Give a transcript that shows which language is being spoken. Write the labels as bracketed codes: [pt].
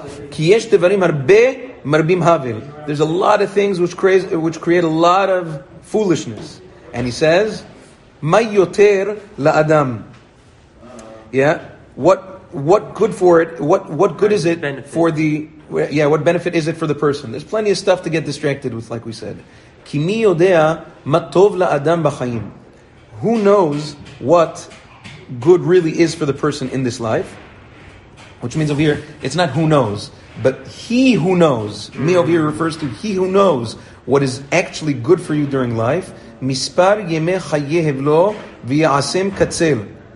[he] כי יש דברים הרבה מרבים הבל. [en] There's a lot of things which create a lot of foolishness. And he says, [he] מה יותר לאדם? [en] Yeah. What good for it? What good is it benefit for the... Yeah, what benefit is it for the person? There's plenty of stuff to get distracted with, like we said. [he] כי מי יודע מה טוב לאדם בחיים? [en] Who knows what good really is for the person in this life, which means over here it's not who knows, but he who knows. Me over here refers to he who knows what is actually good for you during life. [he] Mispar yeme chayehev lo v'yasem katzel.